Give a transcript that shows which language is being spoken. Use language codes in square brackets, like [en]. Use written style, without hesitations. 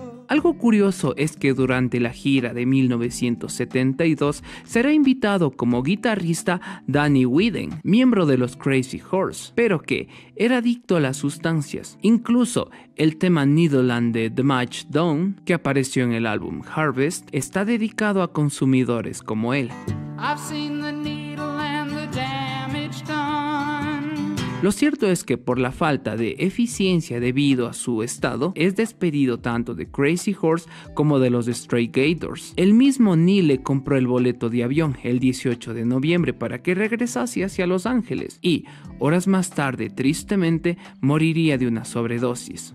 [es] Algo curioso es que durante la gira de 1972 será invitado como guitarrista Danny Whedon, miembro de los Crazy Horse, pero que era adicto a las sustancias. Incluso el tema Needleland de The Match Down, que apareció en el álbum Harvest, está dedicado a consumidores como él. [en] I've seen the needle and the damage done. [es] Lo cierto es que por la falta de eficiencia debido a su estado, es despedido tanto de Crazy Horse como de los Stray Gators. El mismo Neil le compró el boleto de avión el 18 de noviembre para que regresase hacia Los Ángeles y, horas más tarde, tristemente, moriría de una sobredosis.